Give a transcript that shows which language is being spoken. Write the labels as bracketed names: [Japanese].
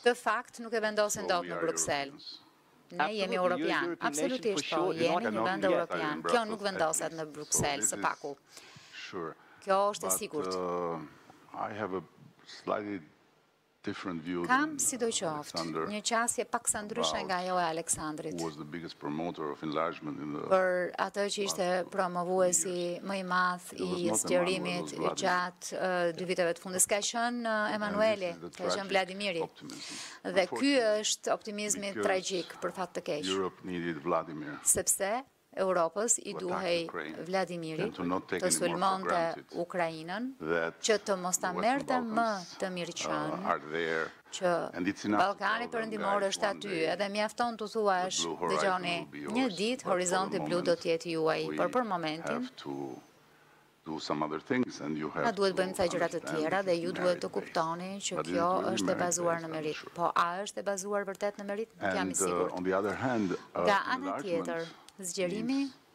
[Albanian] Të fakt nuk e vendosin dot në Bruxelles. Ne jemi europian, absolutisht po, jemi një vend europian. Kjo nuk vendoset në Bruxelles, së paku. Kjo është e sigurt. [English] I have a slightly different view. [Albanian] Kam sidoqoftë një qasje paksa ndryshe nga ajo e Aleksandrit. [English] Was the biggest promoter of enlargement in the [Albanian] Për atë që ishte promovuesi më i madh i zgjerimit gjatë 2 viteve të fundit, ka qenë Emanueli, ka qenë Vladimiri. Dhe ky është optimizmi tragjik për fat të keq. [English] Europe needed Vladimir. [Albanian] Sepse Europës i duhej Vladimiri të sulmonte Ukrainën, që të mos ta merrte më të mirëqenë, që Ballkani Perëndimor është aty, edhe mjafton të thuash, dëgjoni, një ditë horizonti blu do të jetë juaj, por për momentin [English] do some other things and you have [Albanian] na duhet bëjmë ca gjëra të tjera dhe ju duhet të kuptoni që kjo është e bazuar në merit. Po a është e bazuar vërtet në merit? Nuk jam i sigurt. [English] On the other hand, [Albanian] nga ana tjetër, zgjerimi